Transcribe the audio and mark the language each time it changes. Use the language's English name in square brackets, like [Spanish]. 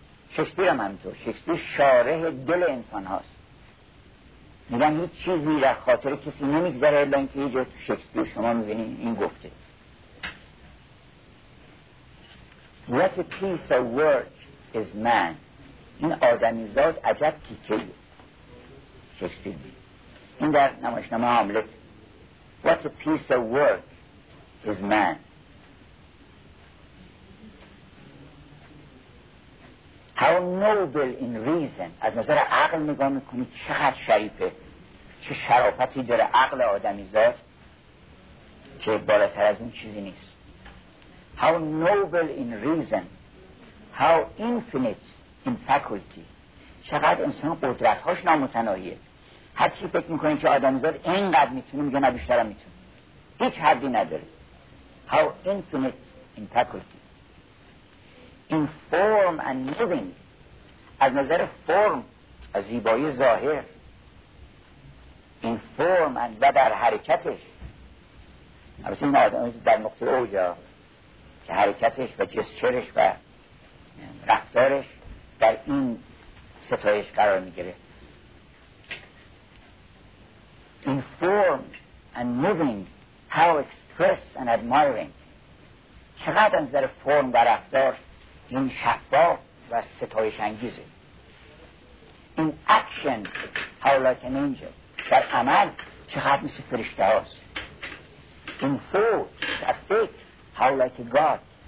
[Persian] شکسپیر هم همینطور، شکسپیر شارح دل انسان هاست، میگن هیچ چیزی در خاطر کسی نمیگذره الا اینکه یه جا تو شکسپیر شما میبینین این گفته: [English] What a piece of work is man. [Persian] این آدمیزاد عجب کیکه‌ای. شکسپیر میگه این در نمایشنامه هاملت: [English] What a piece of work is man. How noble in reason. [Persian] از نظر عقل نگاه میکنی چقدر شریفه، چه شرافتی داره عقل آدمیزاد که بالاتر از اون چیزی نیست. [English] How noble in reason, how infinite in faculty. [Persian] چقدر انسان قدرت‌هاش نامتناهیه. هر چی فکر میکنی که آدمیزاد اینقدر میتونه، میگه نه بیشترم میتونه، هیچ حدی نداره. [English] How infinite in faculty. In form and living. [Persian] از نظر فرم، از زیبایی ظاهر. [English] In form and [Persian] و در حرکتش. البته این آدمیزاد در نقطه اوجا حرکتش و جسچرش و رفتارش در این ستایش قرار میگیره. [English] In form and moving, how express and admiring. [Persian] چقدر از در فرم و رفتار این شفاف و ستایش انگیزه. [English] In action, how like an angel. [Persian] در عمل چقدر مثل فرشته هاست. [English] In thought, [Persian] در فکر, [English] how like a god.